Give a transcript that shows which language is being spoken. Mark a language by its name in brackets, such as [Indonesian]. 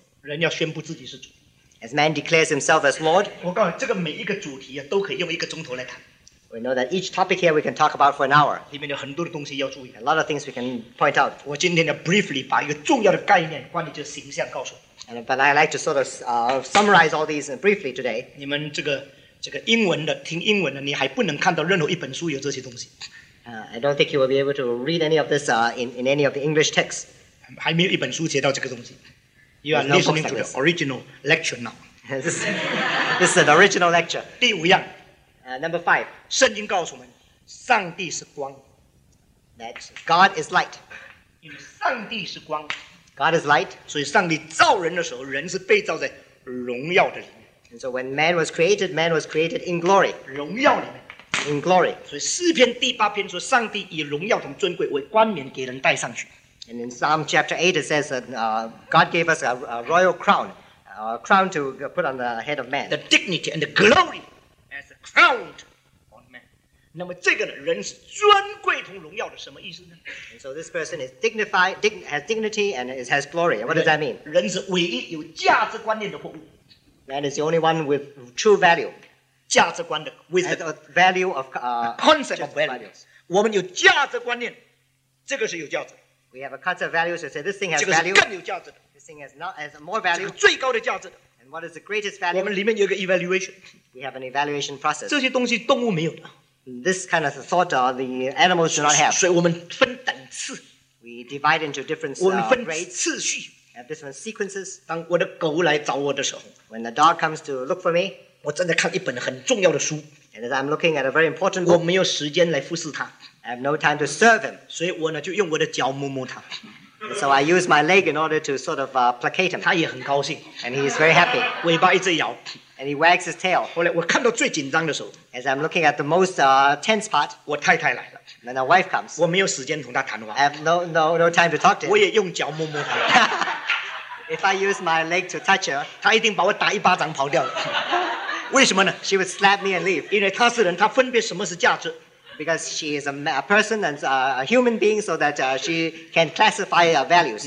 [Chinese] 人要宣布自己是主。 [English] As man declares himself as Lord. [Chinese] 我告诉你，这个每一个主题啊，都可以用一个钟头来谈。 [English] We know that each topic here we can talk about for an hour. [Chinese] 里面有很多的东西要注意。 [English] A lot of things we can point out. [Chinese] 我今天要 [English] briefly [Chinese] 把一个重要的概念关于这个形象告诉你。 [English] And, but I'd like to sort of summarize all these briefly today. [Chinese] 你们这个英文的听英文的，你还不能看到任何一本书有这些东西。 [English] I don't think you will be able to read any of this in any of the English texts. [Chinese] 还没有一本书接到这个东西。 [English] You are listening to the original lecture now. this is an original lecture. [Chinese] 第五样。 [English] Number five, [Chinese] 圣经告诉我们，上帝是光。 [English] That God is light. [Chinese] 因为上帝是光。 [English] God is light. [Chinese] 所以上帝造人的时候，人是被造在荣耀的里面。 [English] And so when man was created in glory. [Chinese] 荣耀里面。 [English] In glory. [Chinese] 所以诗篇第八篇说，上帝以荣耀同尊贵为冠冕给人戴上去。 [English] And in Psalm chapter 8 it says that God gave us a royal crown, a crown to put on the head of man. The dignity and the glory. crowned on man. [Chinese] 那么这个呢，人是尊贵同荣耀的什么意思呢？ [English] And so this person is dignified, has dignity and has glory. What does that mean? [Chinese] 人是唯一有价值观念的货物。 [English] Man is the only one with true value. [Chinese] 价值观的 [English] with the value of concept of values. [Chinese] 我们有价值观念，这个是有价值的。 [English] We have a concept of values to say this thing has value. [Chinese] 这个是更有价值的。 [English] This thing has not has more value. [Chinese] 这个最高的价值的。 [English] And what is the greatest value? [Chinese] 我们里面有个 evaluation. [English] We have an evaluation process. [Chinese] 这些东西动物没有的。 [English] This kind of thought the animals do not have. [Chinese] 所以我们分等次。 [English] We divide into different grades. [Chinese] 我们分 [English] grades, [Chinese] 次序。 [English] Have different sequences. [Chinese] 当我的狗来找我的时候。 [English] When the dog comes to look for me. [Chinese] 我正在看一本很重要的书。 [English] And as I'm looking at a very important book. [Chinese] 我没有时间来服侍它。 [English] I have no time to serve him. [Chinese] 所以我呢就用我的脚摸摸它。 [English] So I use my leg in order to sort of placate him. [Chinese] 他也很高兴。 [English] And he is very happy. [Chinese] 尾巴一直摇。 [English] And he wags his tail. [Chinese] 后来我看到最紧张的时候。 [English] As I'm looking at the most tense part. [Chinese] 我太太来了。 [English] And then the wife comes. [Chinese] 我没有时间同他谈话。 [English] I have no time to talk to him. [Chinese] 我也用脚摸摸他。 [English] If I use my leg to touch her. [Chinese] 他一定把我打一巴掌跑掉了。为什么呢？ [English] She would slap me and leave. [Chinese] 因为他是人，他分别什么是价值。 [English] Because she is a person and a human being, so that she can classify her values.